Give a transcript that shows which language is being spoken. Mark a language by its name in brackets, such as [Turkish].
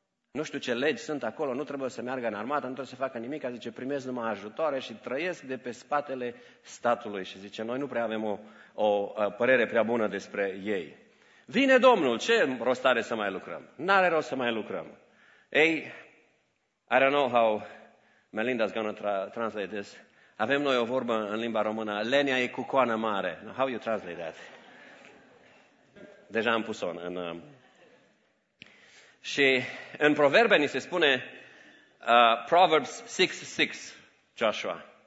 [Romanian] Nu știu ce legi sunt acolo, nu trebuie să meargă în armată, nu trebuie să facă nimic. A zice, primesc numai ajutoare și trăiesc de pe spatele statului. Și zice, noi nu prea avem o părere prea bună despre ei. Vine Domnul, ce rost are să mai lucrăm? N-are rost să mai lucrăm. Ei, [English] I don't know how Melinda's gonna translate this. [Romanian] Avem noi o vorbă în limba română, lenea e cucoană mare. [English] How you translate that? [Romanian] Deja am pus-o în... Și în Proverbe ni se spune, Proverbs 6:6, Joshua.